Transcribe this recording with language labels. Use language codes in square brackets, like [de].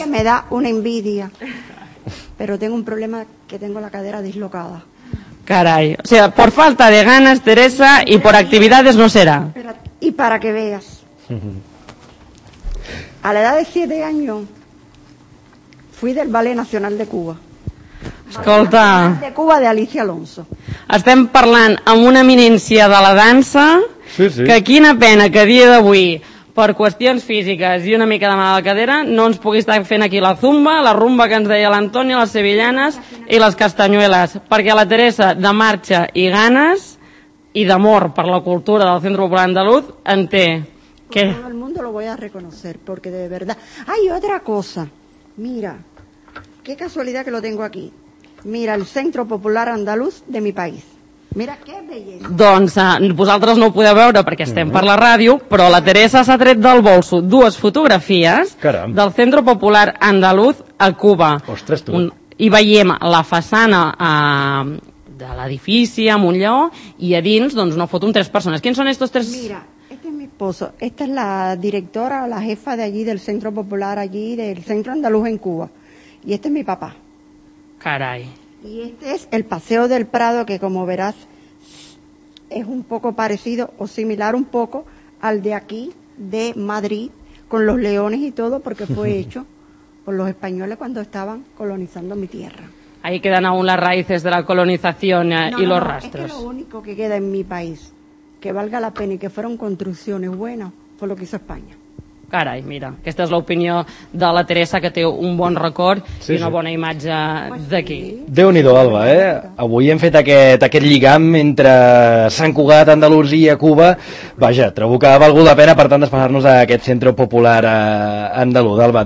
[es] Es que me da una envidia, pero tengo un problema que tengo la cadera dislocada. Caray, o sea, por falta de ganas, Teresa, y por actividades no será. Y para que veas, a la edad de 7 años fui del Ballet Nacional de Cuba. [ca] Escolta, de Cuba, de Alicia Alonso. Estem parlant amb una eminència de la dansa, sí. Que quina pena que a dia d'avui, per qüestions físiques i una mica de mala cadera, no ens pugui estar fent aquí la zumba, la rumba que ens deia l'Antoni, les sevillanes i les castanyueles, perquè la Teresa, de marxa i ganes, i d'amor per la cultura del Centre Popular Andaluz, en té. [es] Que todo el mundo lo voy a reconocer, porque de verdad... Hay otra cosa, mira, qué casualidad que lo tengo aquí. Mira, el Centro Popular Andaluz de mi país. Mira, qué belleza. [ca] Doncs vosaltres no ho podeu veure perquè estem per la ràdio, però la Teresa s'ha tret del bolso dues fotografies. Caram. [es] Del Centro Popular Andaluz a Cuba. [ca] Ostres, tu. I veiem la façana de l'edifici amb un lleó i a dins doncs, una foto amb tres persones. Quins són estos tres? [es] Mira, este es mi esposo. Esta es la directora, la jefa de allí, del Centro Popular allí, del Centro Andaluz en Cuba. Y este es mi papá. Caray. Y este es el Paseo del Prado, que como verás es un poco parecido o similar un poco al de aquí, de Madrid, con los leones y todo, porque fue hecho por los españoles cuando estaban colonizando mi tierra. Ahí quedan aún las raíces de la colonización y los rastros. Es que lo único que queda en mi país, que valga la pena y que fueron construcciones buenas, fue lo que hizo España. [ca] Carai, mira, aquesta és l'opinió de la Teresa, que té un bon record sí, i una bona imatge d'aquí. Déu-n'hi-do, Alba, eh? Avui hem fet aquest lligam entre Sant Cugat, Andalusia, Cuba. Vaja, trobo que ha valgut la pena, per tant, despassar-nos a aquest Centre Popular Andalú, d'Alba.